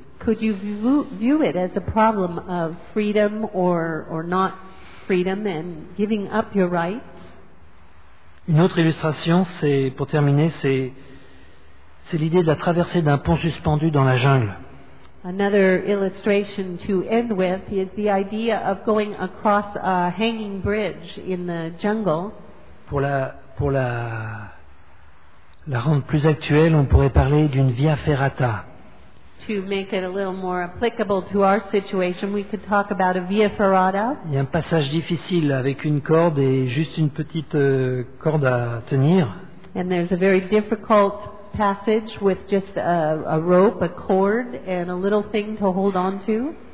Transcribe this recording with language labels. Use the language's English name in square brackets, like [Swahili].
[English] Could you view it as a problem of freedom or not? Freedom and giving up your rights. [French] Une autre illustration, c'est pour terminer, c'est l'idée de la traversée d'un pont suspendu dans la jungle. [English] Another illustration to end with is the idea of going across a hanging bridge in the jungle. [French] Pour la rendre plus actuelle, on pourrait parler d'une via ferrata. [English] To make it a little more applicable to our situation, we could talk about a via ferrata. [French] Il y a un passage difficile avec une corde et juste une petite corde à tenir. [English] And there's a very difficult passage with just a rope, a cord, and a little thing to hold on to.